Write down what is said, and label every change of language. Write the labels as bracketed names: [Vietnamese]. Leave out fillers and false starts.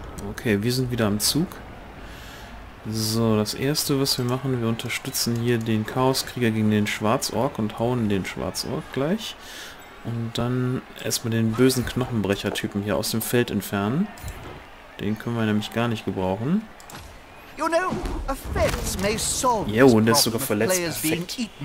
[German] Okay, wir sind wieder am Zug. So, das erste, was wir machen, wir unterstützen hier den Chaoskrieger gegen den Schwarzorg und hauen den Schwarzorg gleich. Und dann erstmal den bösen Knochenbrecher-Typen hier aus dem Feld entfernen. Den können wir nämlich gar nicht gebrauchen. [English] You know, offense may solve this problem. [German] Und er ist sogar verletzt. Perfekt.